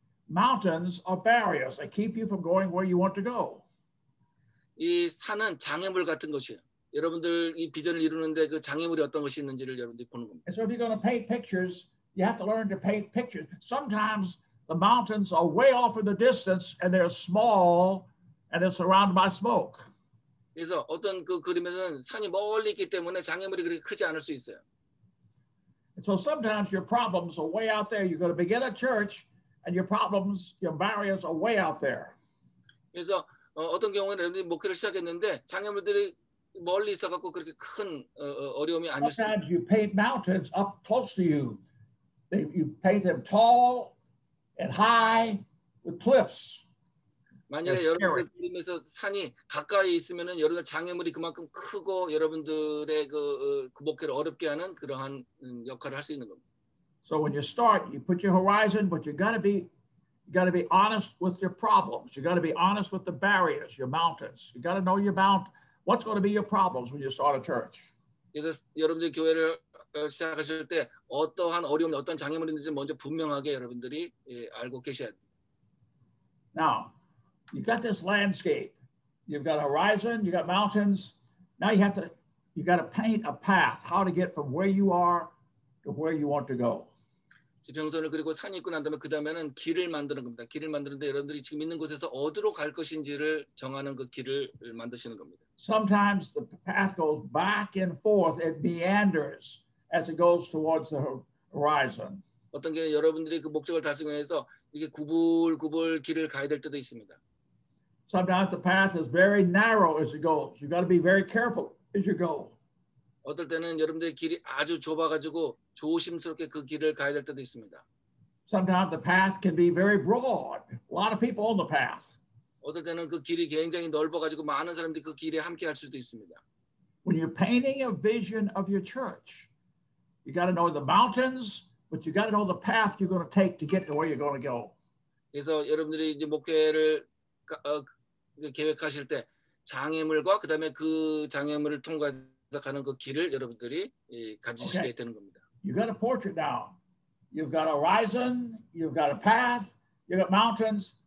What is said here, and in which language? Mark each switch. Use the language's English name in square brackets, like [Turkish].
[English] Mountains are barriers that keep you from going where you want to go. [Korean] 이 산은 장애물 같은 것이에요. 여러분들 이 비전을 이루는데 그 장애물이 어떤 것이 있는지를 여러분들이 보는 겁니다. [English] And so if you're going to paint pictures, you have to learn to paint pictures. Sometimes the mountains are way off in the distance and they're small and they're surrounded by smoke. [Korean] 그래서 어떤 그 그림에는 산이 멀리 있기 때문에 장애물이 그렇게 크지 않을 수 있어요. [English] And so sometimes your problems are way out there. You're going to begin a church and your problems, your barriers are way out there. [Korean] 그래서 어떤 경우에는 목회를 시작했는데 장애물들이 멀리 있어갖고 그렇게 큰 어려움이 아닐 수 있어요. [English] Sometimes you paint mountains up close to you. You paint them tall and high with cliffs. [Korean] 만약에 여러분들 그림에서 산이 가까이 있으면은 여러분들 장애물이 그만큼 크고 여러분들의 그 목회를 어렵게 하는 그러한 역할을 할 수 있는 겁니다. [English] So when you start, you put your horizon, but you gotta be You got to be honest with your problems. You got to be honest with the barriers, your mountains. You got to know your bound. What's going to be your problems when you start a church? [Korean] 여러분들 교회를 시작하실 때 어떠한 어려움, 어떤 장애물이 있는지 먼저 분명하게 여러분들이 알고 계셔야 돼요. [English] Now, you got this landscape. You've got a horizon. You got mountains. Now you got to paint a path. How to get from where you are where you want to go. [Korean] 지평선을 그리고 산이 있고 난 다음에 그 다음에는 길을 만드는 겁니다. 길을 만드는데 여러분들이 지금 있는 곳에서 어디로 갈 것인지를 정하는 그 길을 만드시는 겁니다. [English] Sometimes the path goes back and forth. It meanders as it goes towards the horizon. [Korean] 어떤 경우 여러분들이 그 목적을 달성해서 이게 구불구불 길을 가야 될 때도 있습니다. [English] Sometimes the path is very narrow as it goes. You got to be very careful as you go. [Korean] 어떨 때는 여러분들의 길이 아주 좁아가지고 조심스럽게 그 길을 가야 될 때도 있습니다. [English] Sometimes the path can be very broad. A lot of people on the path. [Korean] 어떨 때는 그 길이 굉장히 넓어가지고 많은 사람들이 그 길에 함께할 수도 있습니다. [English] When you're painting a vision of your church, you got to know the mountains, but you got to know the path you're going to take to get to where you're going to go. [Korean] 그래서 여러분들이 이제 목회를 계획하실 때 장애물과 그 다음에 그 장애물을 통과해서 가는 그 길을 여러분들이 가지시게 okay. 되는 겁니다. [English] You got a portrait down. You've got a horizon. You've got a path. You got mountains.